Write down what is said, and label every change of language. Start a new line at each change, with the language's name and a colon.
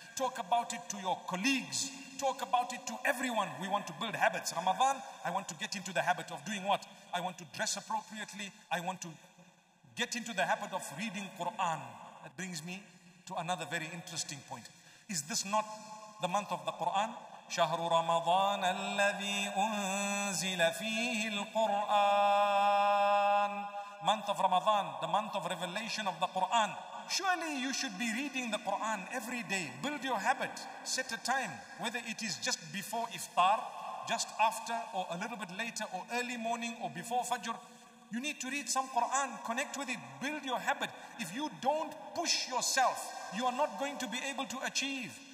English: Talk about it to your colleagues. Talk about it to everyone. We want to build habits. Ramadan, I want to get into the habit of doing what? I want to dress appropriately. I want to get into the habit of reading Quran. That brings me to another very interesting point. Is this not the month of the Quran?
Arabic: شهر رمضان الذي أنزل فيه القرآن.
English: Month of Ramadan, the month of revelation of the Quran. Surely you should be reading the Quran every day. Build your habit, set a time, whether it is just before iftar, just after, or a little bit later, or early morning, or before fajr. You need to read some Quran, connect with it, build your habit. If you don't push yourself, you are not going to be able to achieve.